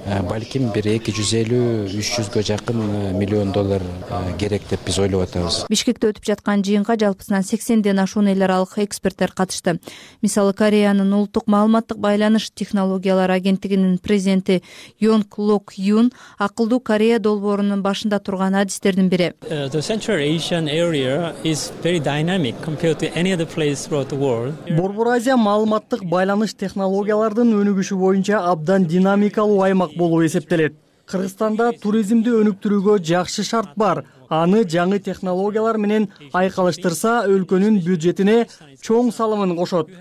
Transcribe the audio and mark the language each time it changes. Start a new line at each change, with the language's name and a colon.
Kyrgyz: Балким бир 250-300 жакын миллион доллар керек деп биз ойлоп атабыз. Бишкекте өтүп жаткан жыйынга жалпысынан 80 ашуун эл аралык эксперттер катышты. Мисалы, Кореянын улуттук маалыматтык байланыш технологиялар агенттигинин президенти Йонг Лок Юн акылдуу Корея долбоорунун башында турган адистердин бири.
English: The Central Asian area is very dynamic compared to any other place throughout the world.
Kyrgyz: Борбор Азия маалыматтык байланыш технологиялардын өнүгүшү боюнча абдан динамикалуу аймак болуп эсептелет. Кыргызстанда туризмди өнүктүрүүгө жакшы шарт бар. Аны жаңы технологиялар менен айкалыштырса, өлкөнүн бюджетине чоң салымын кошот.